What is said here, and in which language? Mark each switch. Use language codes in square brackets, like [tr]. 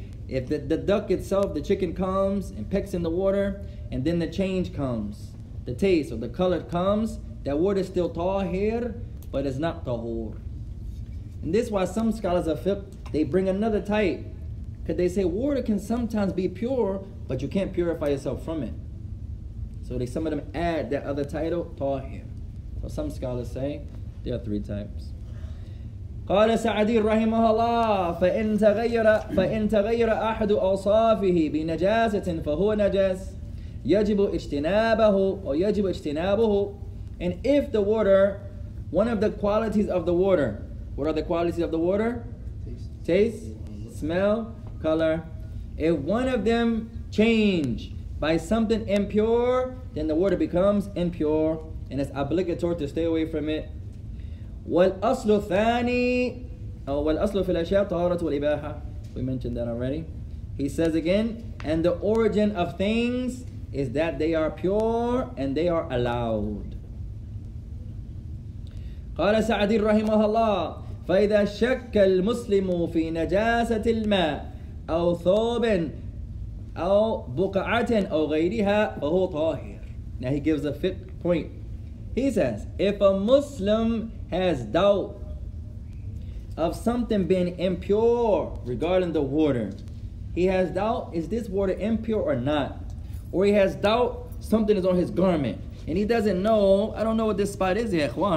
[en] If the duck itself, the chicken comes and pecks in the water, and then the change comes, the taste or the color comes, that water is still tahir, but it's not tahur. And this is why some scholars of fiqh, they bring another type, Because they say water can sometimes be pure, but you can't purify yourself from it. So they, some of them add that other title, tahir. So some scholars say there are three types. [ar] قال سعدي رحمه الله فإن تغير أحد أوصافه بنجاسة فهو نجاس يجب اجتنابه or يجب اجتنابه. [en] And if the water, one of the qualities of the water, what are the qualities of the water? Taste, smell, color. If one of them change by something impure, then the water becomes impure and it's obligatory to stay away from it. [ar] والأصل الثاني أو والأصل في الأشياء طهارة والإباحة. [en] We mentioned that already. He says again, and the origin of things is that they are pure and they are allowed. [ar] قال سعدي رحمه الله فإذا شك المسلم في نجاسة الماء أو ثوب أو بقعة أو غيرها فهو طاهر. [en] Now he gives a fifth point. He says, if a Muslim has doubt of something being impure regarding the water, he has doubt, is this water impure or not? Or he has doubt, something is on his garment. And he doesn't know, I don't know what this spot is, Ikhwan.